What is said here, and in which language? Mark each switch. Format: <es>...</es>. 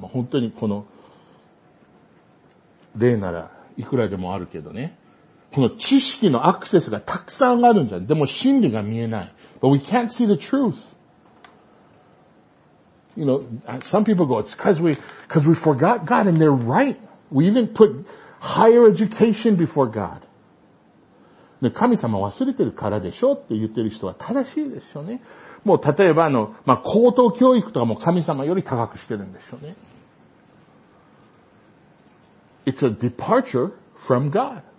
<ja>本当にこの例ならいくらでもあるけどね。この知識のアクセスがたくさんあるんじゃん。でも真理が見えない。</ja> <en>But we can't see the truth. You know, some people go, it's because we forgot God, and they're right. We even put higher education before God.</en> <ja>神様忘れてるからでしょって言ってる人は正しいでしょうね。もう例えば高等教育とかも神様より高くしてるんでしょうね。</ja> <en>It's a departure from God.</en>